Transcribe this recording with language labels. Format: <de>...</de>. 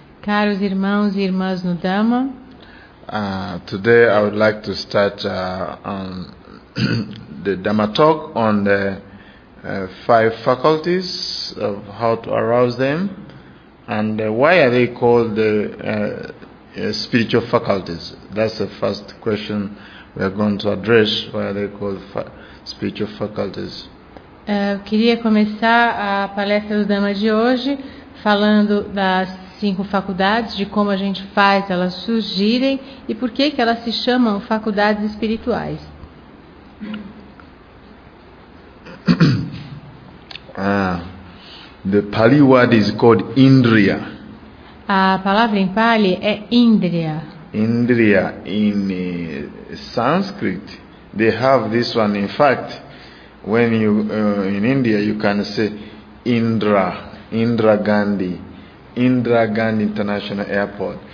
<pt>caros irmãos e irmãs no Dhamma,</pt> <en>today I would like to start the Dhamma talk on the five faculties of how to arouse them, and why are they called the spiritual faculties? That's the first question we are going to address. Why are they called spiritual faculties?</en> <pt>Queria começar a palestra do Dhamma de hoje falando das cinco faculdades, de como a gente faz elas surgirem e por que que elas se chamam faculdades espirituais.</pt> <en>The Pali word is called Indriya.</en> <pt>A palavra em Pali é Indriya.</pt> <en>Indriya in Sanskrit, they have this one. In fact, when you in India, you can say Indira Gandhi International Airport.</en>